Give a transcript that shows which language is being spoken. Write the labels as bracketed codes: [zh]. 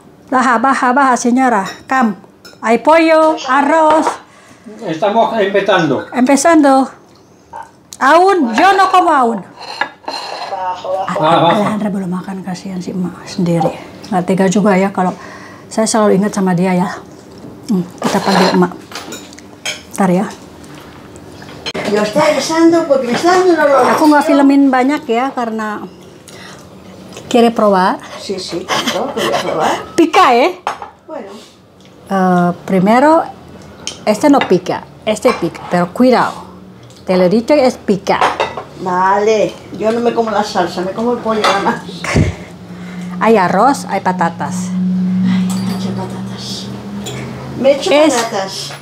[es] Baja, señora. Cam. Hay pollo, arroz. Estamos empezando. Aún, yo no como aún. Bajo. [id] Alejandra belum makan, kasihan si emak sendiri. Gak tega juga ya kalau saya selalu ingat sama dia ya. Kita panggil emak. Ntar ya. [es] Yo estoy rezando porque me está dando una loca. [id] Aku nggak filmin banyak ya karena [es] quiere probar. Sí, quiero probar. Pica, ¿eh? Bueno. Primero, este no pica, este pica, pero cuidado. Te lo he dicho, es pica. Vale, yo no me como la salsa, me como el pollo nada más. Hay arroz, hay patatas. Ay, me echo patatas. Me echo patatas.